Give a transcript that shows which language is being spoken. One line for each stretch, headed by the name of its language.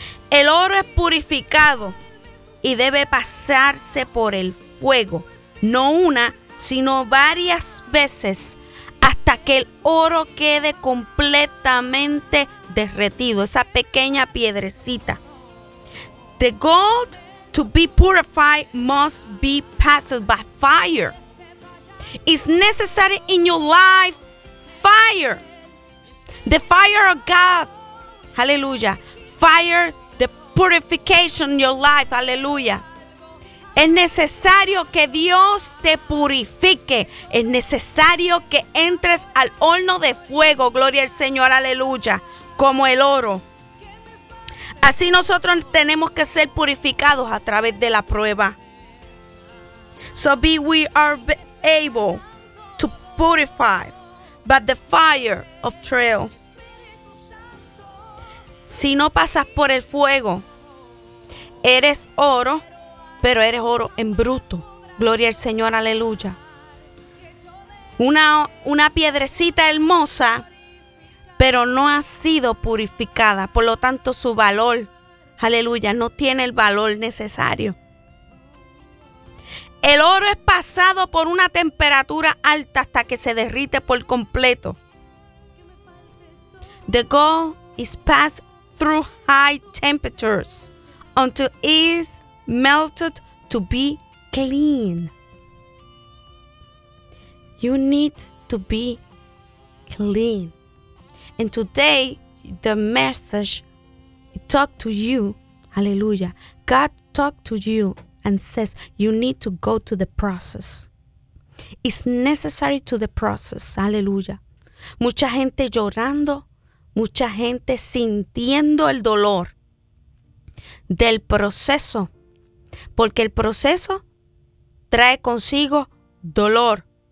Spanish: El oro es purificado y debe pasarse por el fuego, no una, sino varias veces, hasta que el oro quede completamente derretido, esa pequeña piedrecita.
English: The gold to be purified must be passed by fire. It's necessary in your life, fire. The fire of God. Hallelujah. Fire the purification in your life. Hallelujah.
Spanish: Es necesario que Dios te purifique. Es necesario que entres al horno de fuego. Gloria al Señor. Aleluya. Como el oro. Así nosotros tenemos que ser purificados a través de la prueba.
English: We are able to purify by the fire of trial.
Spanish: Si no pasas por el fuego, eres oro, pero eres oro en bruto. Gloria al Señor, aleluya. Una piedrecita hermosa, pero no ha sido purificada. Por lo tanto, su valor, aleluya, no tiene el valor necesario. El oro es pasado por una temperatura alta hasta que se derrite por completo.
English: The gold is passed through high temperatures until it is melted to be clean. You need to be clean. And today, the message talked to you. Hallelujah. God talked to you and says you need to go to the process. It's necessary to the process. Hallelujah.
Spanish: Mucha gente llorando, mucha gente sintiendo el dolor del proceso, porque el proceso trae consigo dolor.